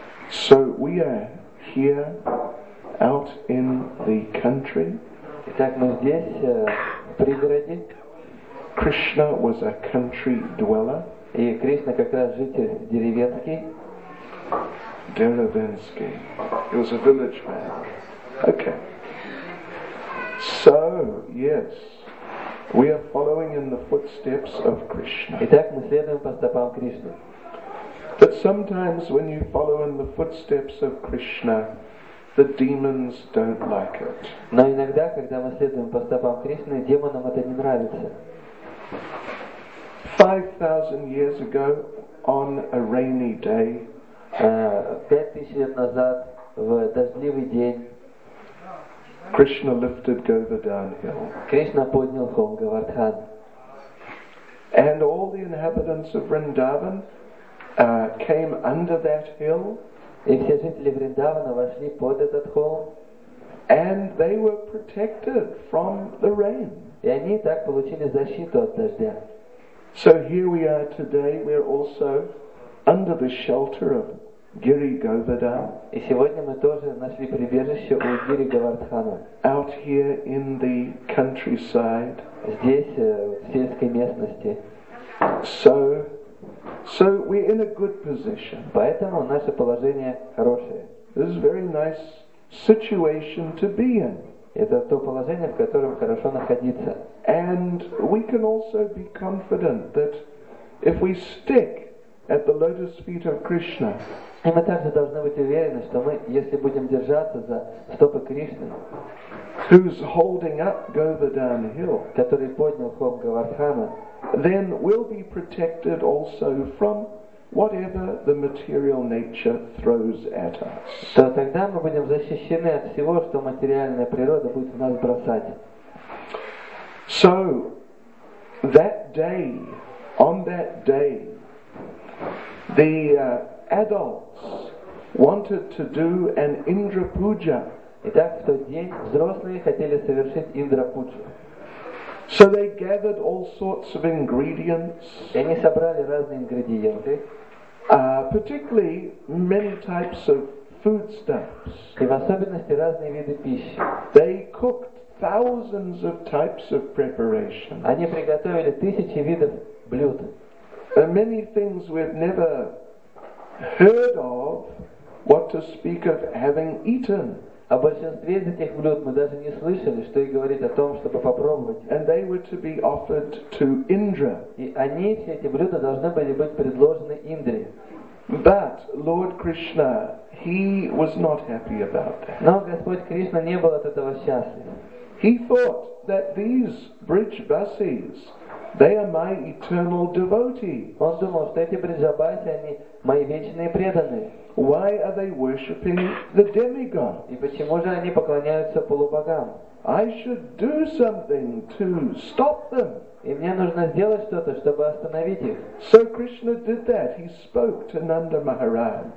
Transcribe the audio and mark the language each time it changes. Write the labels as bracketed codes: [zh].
[en] So we are here out in the country. [ru] Итак, мы здесь, в пригороде. [en] Krishna was a country dweller. [ru] И Кришна как раз житель деревенский. [en] Deravinsky. He was a village man. Okay. So, yes, we are following in the footsteps of Krishna. [ru] Итак, мы следуем по стопам Кришны. [en] But sometimes when you follow in the footsteps of Krishna, the demons don't like it. [ru] Но иногда, когда мы следуем по стопам Кришны, демонам это не нравится. [en] 5,000 years ago, on a rainy day, [ru] 5000 лет назад в дождливый день [en] Krishna lifted Govardhan Hill. [ru] Кришна поднял холм Говардхан. [en] And all the inhabitants of Vrindavan came under that hill. [ru] И все жители Вриндавана вошли под этот холм. [en] And they were protected from the rain. [ru] И они так получили защиту от дождя. [en] So here we are today. We're also under the shelter of Giri Govardhan. [ru] И сегодня мы тоже нашли прибежище у Гири Говардхана. [en] Out here in the countryside. [ru] Здесь, в сельской местности. [en] So we're in a good position. [ru] Поэтому наше положение хорошее. [en] This is a very nice situation to be in. [ru] Это то положение, в котором хорошо находиться. [en] And we can also be confident that if we stick at the lotus feet of Krishna. [ru] И мы также должны быть уверены, что мы, если будем держаться за стопы Кришны, [en] who's holding up Govardhan Hill, [ru] который поднял холм Говардхана, [en] then we'll be protected also from whatever the material nature throws at us. [ru] То тогда мы будем защищены от всего, что материальная природа будет в нас бросать. [en] So that day, on that day, the adults wanted to do an Indra puja. [ru] Итак, в тот день взрослые хотели совершить Индра пуджу. [en] So they gathered all sorts of ingredients. [ru] И они собрали разные ингредиенты. [en] Particularly many types of foodstuffs. [ru] И в особенности разные виды пищи. [en] They cooked thousands of types of preparations. [ru] Они приготовили тысячи видов блюд. [en] Many things we've never heard of What to speak of having eaten? [ru] О большинстве из этих блюд мы даже не слышали, что и говорить о том, чтобы попробовать. [en] And they were to be offered to Indra. [ru] И они, все эти блюда, должны были быть предложены Индре. [en] But Lord Krishna, he was not happy about that. [ru] Но Господь Кришна не был от этого счастлив. [en] He thought that these Brijbasis, they are my eternal devotees. [ru] Он думал, что эти Бриджабаси, они мои вечные преданные. [en] Why are they worshipping the demigod? [ru] И почему же они поклоняются полубогам? [en] I should do something to stop them. [ru] И мне нужно сделать что-то, чтобы остановить их. [en] So Krishna did that. He spoke to Nanda Maharaj.